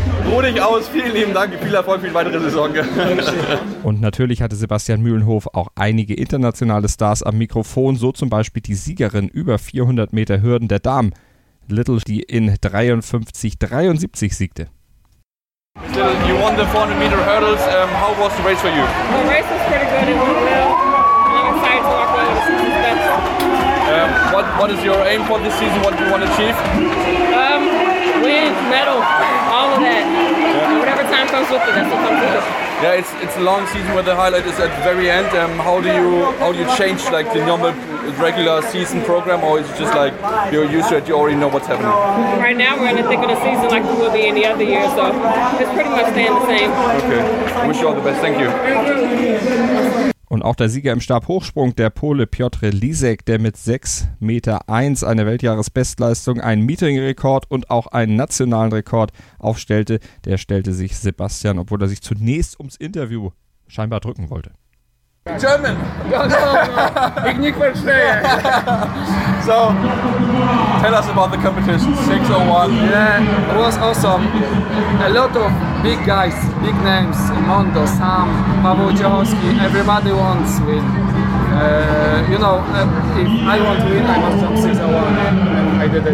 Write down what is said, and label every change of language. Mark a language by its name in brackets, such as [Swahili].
[German] Ruh dich aus. Vielen lieben Dank. Viel Erfolg für die weitere Saison. Und natürlich hatte Sebastian Mühlenhof auch einige internationale Stars am Mikrofon. So zum Beispiel die Siegerin über 400 Meter Hürden der Damen, Little, die in 53,73 siegte. [English] Little, you won the 400 meter hurdles. How was the race for you? The race was pretty good. It was being excited to walk well. It was the best. What is your aim for this season? What do you want to achieve? Win, medal, all of that. Yeah. Whatever time comes with it, that's what comes with it. Yeah, it's a long season where the highlight is at the very end. How do you change like the normal regular season program, or is it just like you're used to it, you already know what's happening? Right now we're in the thick of the season like we will be in the other year, so it's pretty much staying the same. Okay. Wish you all the best. Thank you. [German] Und auch der Sieger im Stabhochsprung, der Pole Piotr Lisek, der mit 6,01 Meter eine Weltjahresbestleistung, einen Meeting-Rekord und auch einen nationalen Rekord aufstellte, der stellte sich Sebastian, obwohl er sich zunächst ums Interview scheinbar drücken wollte. [English] German! [German] Ich nicht verstehe! [English] So, tell us about the competition, 601. Yeah, it was awesome. A lot of big guys, big names, Mondo, Sam, Paweł Ciechowski, everybody wants to win. If I want to win, I must jump 601, and I did it.